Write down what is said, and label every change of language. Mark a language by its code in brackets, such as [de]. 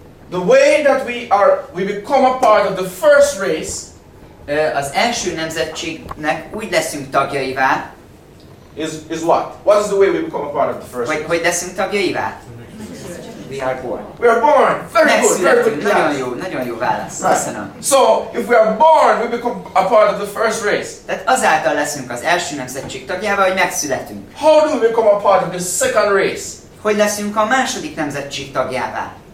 [en] The way that we become a part of the first race, [hu] az első nemzetségnek úgy leszünk tagjaivá, [en] is what? What is the way we become a part of the first race? [hu] Hogy leszünk tagjaivá? [en] We are born. Very good. [hu] Nagyon jó válasz. [en] Right. [hu] Köszönöm. [en] So, if we are born, we become a part of the first race. [hu] Tehát azáltal leszünk az első nemzetség tagjává, hogy megszületünk. [en] How do we become a part of the second race? [hu] Hogy leszünk a második nemzetség tagjává?